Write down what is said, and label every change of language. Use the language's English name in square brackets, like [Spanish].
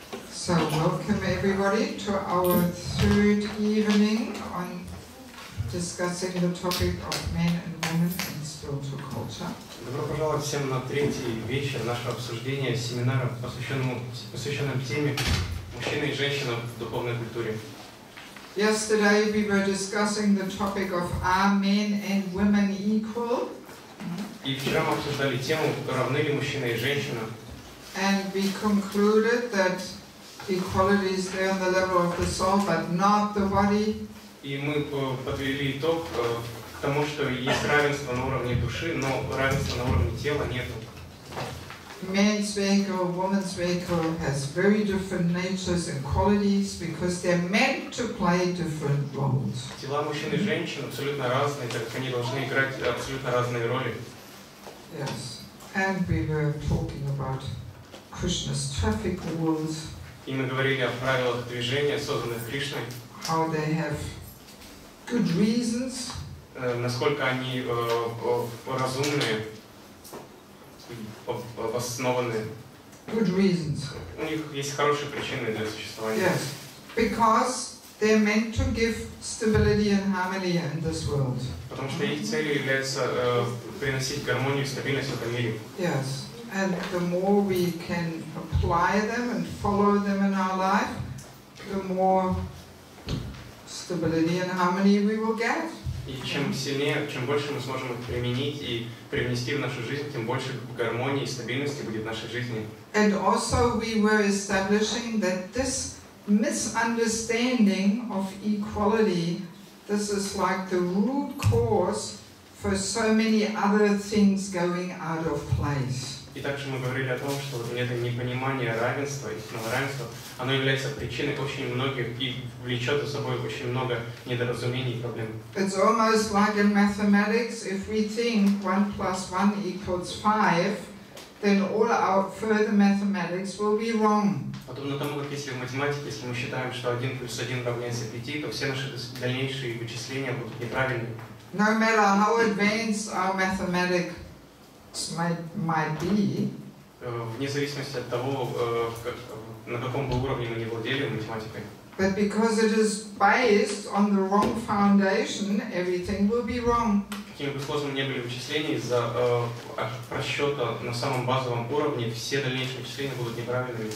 [English] So welcome everybody to our third evening on discussing the topic of men and women in spiritual culture. [Russian] Добро пожаловать всем на третий вечер нашего обсуждения семинара, посвященного теме мужчины и женщины в духовной культуре. [English] Yesterday we were discussing the topic of are men and women equal? [Russian] И вчера мы обсуждали тему, равны ли мужчины и женщины. [English] And we concluded that equality is there on the level of the soul, but not the body. [Russian] И мы подвели итог к тому, что есть равенство на уровне души, но равенства на уровне тела нету. [English] Men's vehicle, woman's vehicle has very different natures and qualities because they're meant to play different roles. [Russian] Тела мужчин и женщин абсолютно разные, так как они должны играть абсолютно разные роли. [English] Yes. And we were talking about Krishna's traffic rules. [Russian] И мы говорили о правилах движения, созданных Кришной. [English] How they have good reasons. [Russian] Насколько они разумные, обоснованные. [English] Good reasons. [Russian] У них есть хорошие причины для существования. [English] Yes. Because they're meant to give stability and harmony in this world. [Russian] Потому что их целью является приносить гармонию и стабильность в этом мире. [English] Yes. And the more we can apply them and follow them in our life, the more stability and harmony we will get. [Russian] И чем сильнее, чем больше мы сможем их применить и привнести в нашу жизнь, тем больше гармонии и стабильности будет в нашей жизни. [English] And also we were establishing that this misunderstanding of equality, this is like the root cause for so many other things going out of place. [Russian] И также мы говорили о том, что это непонимание равенства, истинного равенства, оно является причиной очень многих и влечет за собой очень много недоразумений и проблем. [English] It's almost like in mathematics, if we think 1 plus 1 equals 5, then all our further mathematics will be wrong. [Russian] Подобно тому, как если в математике, если мы считаем, что 1 плюс 1 равняется 5, то все наши дальнейшие вычисления будут неправильны. [English] No matter how advanced our mathematics might be. [Russian] Вне зависимости от того, на каком бы уровне мы не владели математикой. [English] But because it is based on the wrong foundation, everything will be wrong. [Russian] Какими бы сложными ни были вычисления, из-за просчета на самом базовом уровне все дальнейшие вычисления будут неправильными.